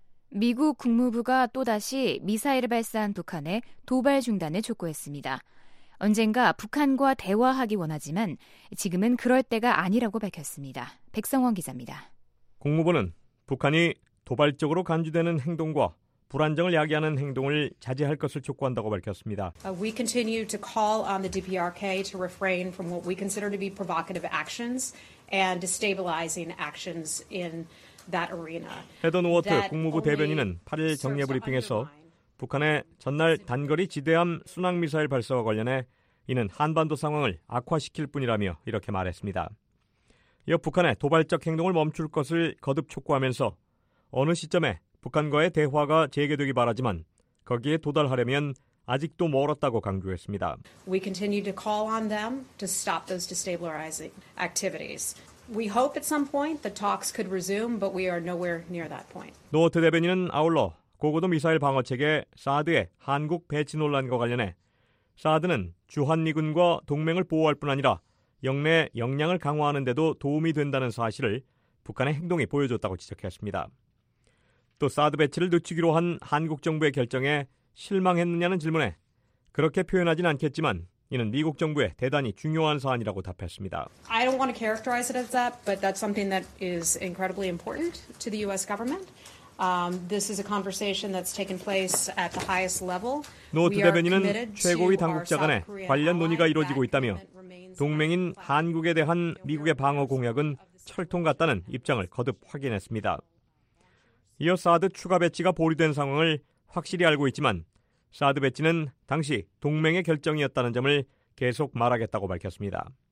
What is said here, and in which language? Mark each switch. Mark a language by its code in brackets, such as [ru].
[ko] 미국 국무부가 또다시 미사일을 발사한 북한에 도발 중단을 촉구했습니다. 언젠가 북한과 대화하기 원하지만 지금은 그럴 때가 아니라고 밝혔습니다. 백성원 기자입니다. 국무부는 북한이 도발적으로 간주되는 행동과 불안정을 야기하는 행동을 자제할 것을 촉구한다고 밝혔습니다. [en] We continue to call on the DPRK to refrain from what we consider to be provocative actions and destabilizing actions in that arena. [ko] 헤던 워트 국무부 대변인은 8일 정례 브리핑에서 북한의 전날 단거리 지대함 순항미사일 발사와 관련해 이는 한반도 상황을 악화시킬 뿐이라며 이렇게 말했습니다. 이어 북한의 도발적 행동을 멈출 것을 거듭 촉구하면서 어느 시점에 북한과의 대화가 재개되기 바라지만 거기에 도달하려면 아직도 멀었다고 강조했습니다. [en] We continue to call on them to stop those destabilizing activities. We hope at some point the talks could resume, but we are nowhere near that point. [ko] 노어트 대변인은 아울러 고고도 미사일 방어 체계 사드의 한국 배치 논란과 관련해 사드는 주한미군과 동맹을 보호할 뿐 아니라 영내 역량을 강화하는 데도 도움이 된다는 사실을 북한의 행동이 보여줬다고 지적했습니다. 또 사드 배치를 늦추기로 한 한국 정부의 결정에 실망했느냐는 질문에 그렇게 표현하진 않겠지만 이는 미국 정부의 대단히 중요한 사안이라고 답했습니다. [en] I don't want to characterize it as that, but that's something that is incredibly important to the U.S. government. This is a conversation that's taken place at the highest level. [ko] 노트 대변인은 최고위 당국자 간에 관련 논의가 이루어지고 있다며 동맹인 한국에 대한 미국의 방어 공약은 철통 같다는 입장을 거듭 확인했습니다. 이어 사드 추가 배치가 보류된 상황을 확실히 알고 있지만 사드 배치는 당시 동맹의 결정이었다는 점을 계속 말하겠다고 밝혔습니다.